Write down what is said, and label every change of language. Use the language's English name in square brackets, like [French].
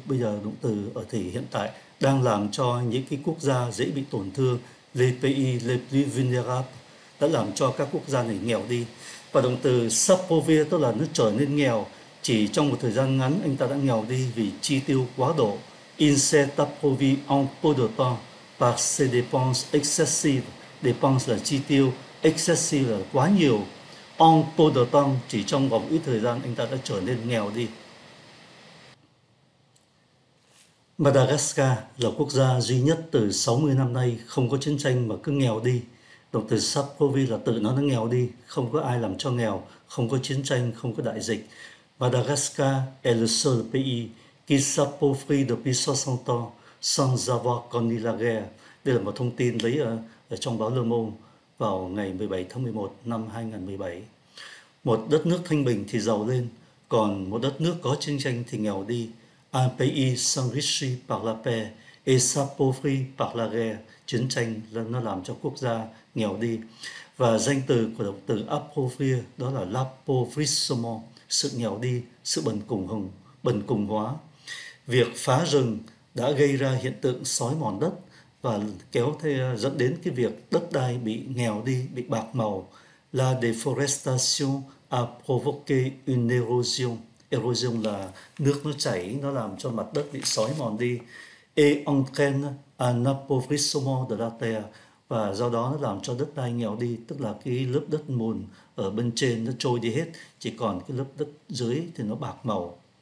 [Vietnamese] Bây giờ động từ ở thể hiện tại đang làm cho những cái quốc gia dễ bị tổn thương. [French] Les pays les plus vulnérables [Vietnamese] đã làm cho các quốc gia này nghèo đi. Và động từ s'appauvrir tức là nó trở nên nghèo. Chỉ trong một thời gian ngắn anh ta đã nghèo đi vì chi tiêu quá độ. [French] Il s'est appauvri en peu de temps par ses dépenses excessives. [Vietnamese] Dépenses là chi tiêu, excessive là quá nhiều. [French] En peu de temps, [Vietnamese] chỉ trong vòng ít thời gian anh ta đã trở nên nghèo đi. Madagascar là quốc gia duy nhất từ 60 năm nay không có chiến tranh mà cứ nghèo đi. Động từ Sapkovi là tự nó nghèo đi, không có ai làm cho nghèo, không có chiến tranh, không có đại dịch. [French] Madagascar est le seul pays qui s'appauvrit depuis 60 ans sans avoir connu la guerre. [Vietnamese] Đây là một thông tin lấy ở trong báo Le Monde vào ngày 17 tháng 11 năm 2017. Một đất nước thanh bình thì giàu lên, còn một đất nước có chiến tranh thì nghèo đi. [French] Un pays s'enrichit par la paix et s'appauvrit par la guerre. [Vietnamese] Chiến tranh là nó làm cho quốc gia nghèo đi. Và danh từ của động từ appauvrir đó là l'appauvrissement, sự nghèo đi, sự bần cùng hóa. Việc phá rừng đã gây ra hiện tượng xói mòn đất và kéo theo dẫn đến cái việc đất đai bị nghèo đi, bị bạc màu. [French] La déforestation a provoqué une érosion. [Vietnamese] Érosion là nước nó chảy, nó làm cho mặt đất bị xói mòn đi. [French] Et entraîne un appauvrissement de la terre. [Vietnamese] Và do đó nó làm cho đất đai nghèo đi, tức là cái lớp đất mùn ở bên trên nó trôi đi hết, chỉ còn cái lớp đất dưới thì nó bạc màu.